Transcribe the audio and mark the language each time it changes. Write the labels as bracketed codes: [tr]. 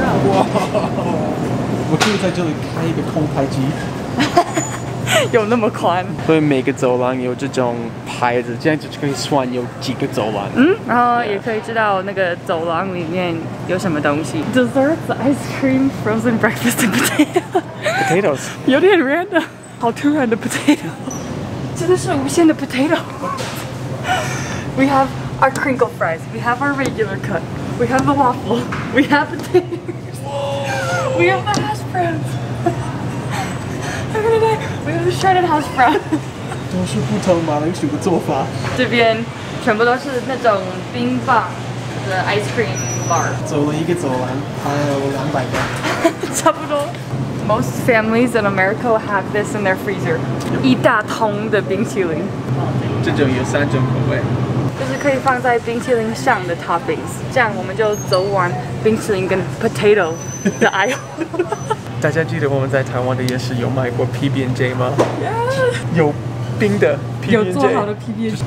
[zh] 哇，我可以在这里开一个空拍机。有那么宽，所以每个走廊有这种牌子，这样就可以算有几个走廊。嗯，然后也可以知道那个走廊里面有什么东西。 [en] Yeah. Desserts, ice cream, frozen breakfast, and potatoes. Potatoes. [zh] 有点 random， 好突然的 potato， 真的是无限的 potato。 [en] We have our crinkle fries. We have our regular cut. We have the waffle. We have the potatoes. We have the hash browns. We have the shredded hash brown. [zh] 都是不同马铃薯的做法。这边全部都是那种冰棒的 [en] ice cream bar. [zh] 走了一个走廊，还有200个。差不多。 [en] Most families in America will have this in their freezer. [zh] 一大桶的冰淇淋。这种有三种口味。就是可以放在冰淇淋上的 toppings， 这样我们就走完冰淇淋跟 potato 的 aisle。大家记得我们在台湾的夜市有买过 PB&J 吗？ [en] Yeah. [zh] 有冰的 PB&J，有做好的 PB&J。